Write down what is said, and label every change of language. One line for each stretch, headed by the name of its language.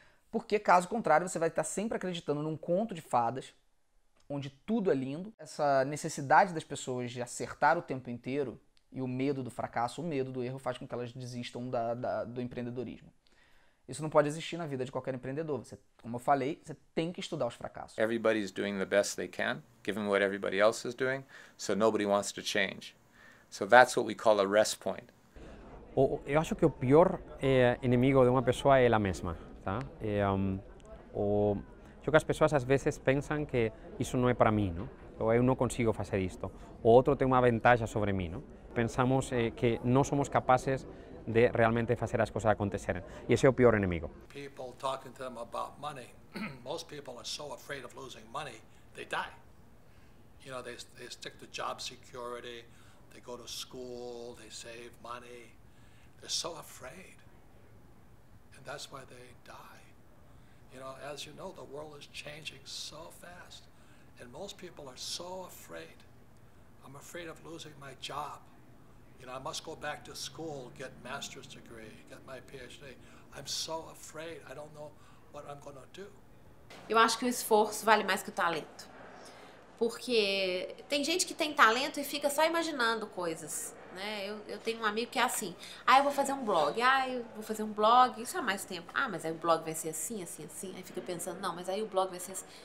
Portuguese: Porque, caso contrário, você vai estar sempre acreditando num conto de fadas, onde tudo é lindo. Essa necessidade das pessoas de acertar o tempo inteiro e o medo do fracasso, o medo do erro, faz com que elas desistam do empreendedorismo. Isso não pode existir na vida de qualquer empreendedor. Você, como eu falei, você tem que estudar os fracassos.
English: Everybody's doing the best they can, given what everybody else is doing, so nobody wants to change. So that's what we call a rest point.
Portuguese: Eu acho que o pior inimigo de uma pessoa é ela mesma, tá? Acho que as pessoas às vezes pensam que isso não é para mim, não? Ou eu não consigo fazer isto. O outro tem uma vantagem sobre mim, não? Pensamos que não somos capazes de realmente
Spanish: hacer las cosas
Portuguese: acontecer.
Spanish: Y ese es el peor enemigo.
English: People talking to them about money. Most people are so afraid of losing money, they die. You know, they stick to job security, they go to school, they save money. They're so afraid. And that's why they die. You know, as you know, the world is changing so fast. And most people are so afraid. I'm afraid of losing my job. You know, I must go back to school, get master's degree, get my PhD. I'm so afraid. I don't know what I'm going to do.
Portuguese: Eu acho que o esforço vale mais que o talento. Porque tem gente que tem talento e fica só imaginando coisas, né? Eu tenho um amigo que é assim: "Ah, eu vou fazer um blog. Ah, eu vou fazer um blog. Isso é mais tempo. Ah, mas aí o blog vai ser assim, assim, assim." Aí fica pensando: "Não, mas aí o blog vai ser assim."